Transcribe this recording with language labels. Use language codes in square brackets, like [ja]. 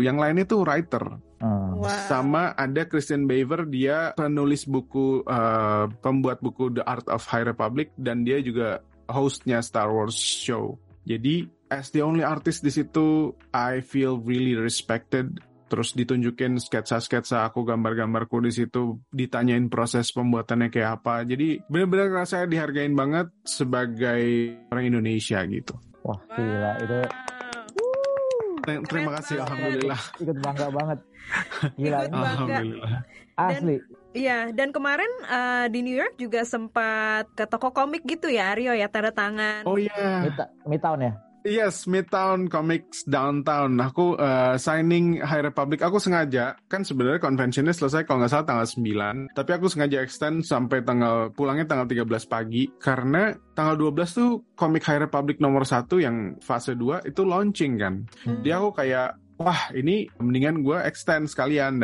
[id] Yang lainnya tuh writer. Wow. Sama ada Kristen Baver, dia penulis buku pembuat buku The Art of High Republic dan dia juga hostnya Star Wars show. Jadi [en] as the only artist [id] di situ [en] I feel really respected. [id] Terus ditunjukin sketsa-sketsa aku, gambar-gambarku di situ, ditanyain proses pembuatannya kayak apa. Jadi benar-benar rasanya dihargain banget sebagai orang Indonesia gitu. Wah, gila itu. Terima kasih, alhamdulillah. Ikut bangga banget. Gila, ikut bangga. Alhamdulillah. Asli. Iya, dan kemarin di New York juga sempat ke toko komik gitu ya, Aryo ya, tanda tangan. Oh iya. Yeah. Midtown ya. [en] Yes, Midtown Comics Downtown. [id] Aku signing High Republic. Aku sengaja, kan sebenarnya conventionnya selesai kalau nggak salah tanggal 9. Tapi aku sengaja extend sampai tanggal pulangnya tanggal 13 pagi. Karena tanggal 12 tuh komik High Republic nomor 1 yang fase 2 itu launching kan. Jadi aku kayak, wah ini mendingan gue extend sekalian.